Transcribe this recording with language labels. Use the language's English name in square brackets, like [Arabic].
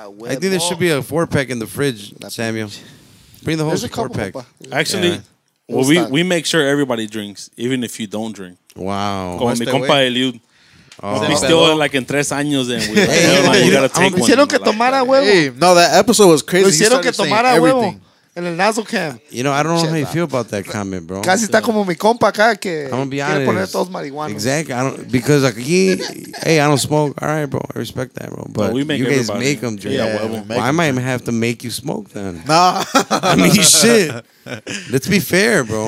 [English] I think there should be a 4-pack in the fridge, Samuel. Bring the host a 4-pack. Actually, we make sure everybody drinks, even if you don't drink. Wow. [Spanish] Con mi compa Eliud. [English] We still like in 3 años, then you gotta take one. [Spanish] Hicieron que tomara huevo. Hey, [English] no, that episode was crazy. [Spanish] Hicieron que tomara huevo en el nozzle cam. [English] You know, I don't know how you feel about that comment, bro. [Spanish] Casi está como mi compa acá que quiere poner todos marihuana. [English] Exactly, [Spanish] because aquí, [English] hey, I don't smoke. All right, bro, I respect that, bro. But you guys make them drink. Yeah, well, I might even have to make you smoke then. Nah, I mean shit. Let's be fair, bro.